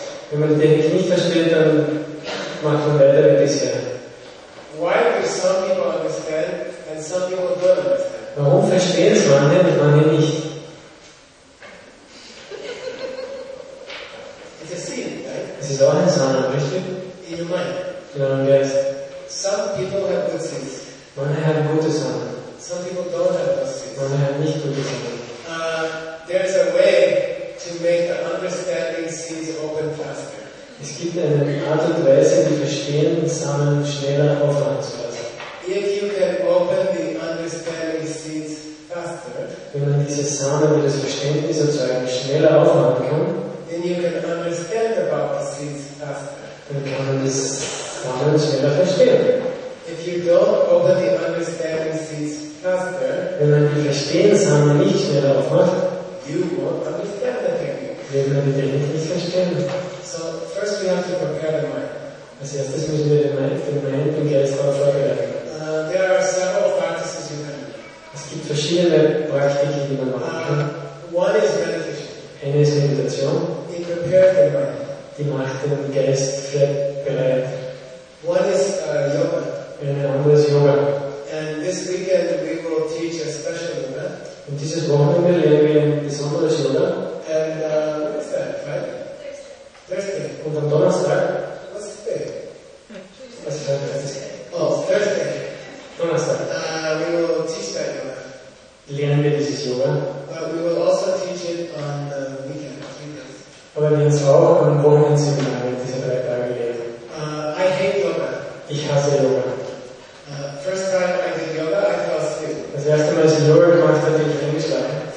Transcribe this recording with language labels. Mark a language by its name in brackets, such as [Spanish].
[German] Wenn man die Technik nicht versteht, dann macht man weiter wie bisher. [English] Why do some people understand and some people don't understand? [German] Warum verstehen es manche und manche nicht? [English] It's a scene, right? [German] Es ist auch eine Sache, richtig? [English] In your mind. [German] In eurem Geist. [English] Some people have good things. [German] Manche haben gute Sachen. [English] Some people don't have good things. [German] Manche haben nicht gute Sachen. [English] There is a way to make the understanding scenes open faster. [German] Es gibt eine Art und Weise, die Verstehenssamen schneller aufmachen zu lassen. [English] If you can open the understanding seeds faster, [German] wenn man diese Samen, die das Verständnis erzeugen, schneller aufmachen kann, [English] then you can understand about the seeds faster. [German] Dann kann man das Samen schneller verstehen. [English] If you don't open the understanding seeds faster, [German] wenn man die Verstehenssamen nicht schneller aufmacht, [English] you won't understand the technique. [German] Wird man die Technik nicht verstehen. [English] So, first we have to prepare the mind. [German] Als erstes müssen wir den Mind und Geist darauf vorbereiten. [English] There are several practices you can do. [German] Es gibt verschiedene Praktiken, die man machen kann. [English] One is meditation. [German] Eine ist Meditation. [English] It prepares the mind. [German] Die macht den Geist bereit. [English] One is yoga. [German] Eine andere ist Yoga. [English] And this weekend we will teach a special yoga. [German] Und dieses Wochenende lernen wir ein besonderes Yoga. [English] And what is that, right? Thursday. [German] Und am Donnerstag? Was ist das? Was ist das? [English] Oh, Thursday. [German] Donnerstag. [English] We will teach that yoga. [German] Lernen wir dieses Yoga. [English] But we will also teach it on the weekend. [German] Aber wir werden es auch am Wochenende Seminar in diese 3 Tage lernen. [English] I hate yoga. [German] Ich hasse Yoga. [English] First time I did yoga, I fell asleep. [German] Das erste Mal, als ich Yoga gemacht habe, bin ich eingeschlafen.